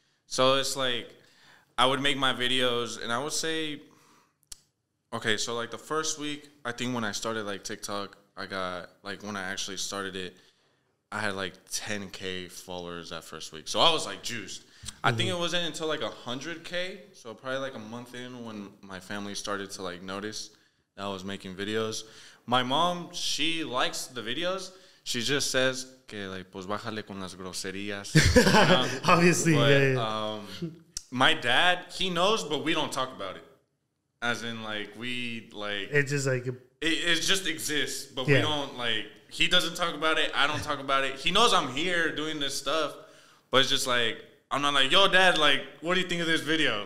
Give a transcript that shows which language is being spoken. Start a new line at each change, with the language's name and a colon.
English: So it's like I would make my videos and I would say, okay, so like the first week, I think when I started like TikTok, I got like when I actually started it, I had like 10K followers that first week. So I was like juiced. Mm-hmm. I think it wasn't until like 100K, so probably like a month in when my family started to like notice that I was making videos. My mom, she likes the videos. She just says,
Spanish: que like, pues bájale con las groserías.
English: Obviously, but, yeah, yeah. My dad, he knows, but we don't talk about it. As in, like, we, like... It just, like... It just exists, but yeah. We don't, like... He doesn't talk about it. I don't talk about it. He knows I'm here doing this stuff, but it's just, like... I'm not like, yo, dad, like, what do you think of this video?